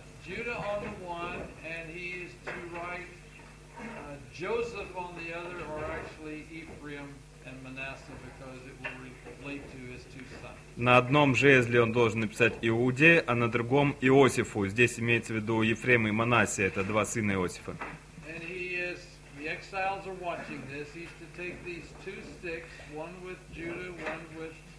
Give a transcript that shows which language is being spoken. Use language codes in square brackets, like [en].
[en] Judah on the one, and he is to write Joseph on the other, or actually Ephraim and Manasseh, because it will relate to his two sons. [ru] На одном жезле он должен написать Иуде, а на другом Иосифу. Здесь имеется в виду Ефрем и Манассе, это два сына Иосифа. [en] And he is, the exiles are watching this. He's to take these two sticks, one with Judah, one with